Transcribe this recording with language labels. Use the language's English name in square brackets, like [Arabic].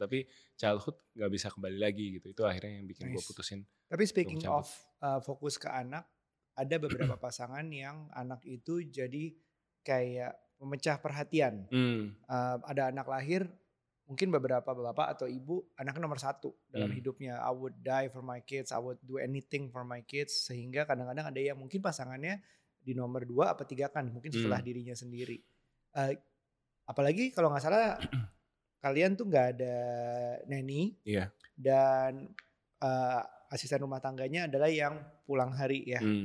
[Indonesian] Tapi childhood gak bisa kembali lagi gitu, itu akhirnya yang bikin gue putusin. Tapi [English] speaking of [Indonesian] fokus ke anak, ada beberapa pasangan yang anak itu jadi kayak memecah perhatian. Ada anak lahir, mungkin beberapa bapak atau ibu, anaknya nomor satu dalam hidupnya. [English] I would die for my kids, I would do anything for my kids. [Indonesian] Sehingga kadang-kadang ada yang mungkin pasangannya di nomor dua apa tiga kan, mungkin setelah dirinya sendiri. Apalagi kalau gak salah kalian tuh gak ada nanny. Iya. Yeah. Dan asisten rumah tangganya adalah yang pulang hari ya.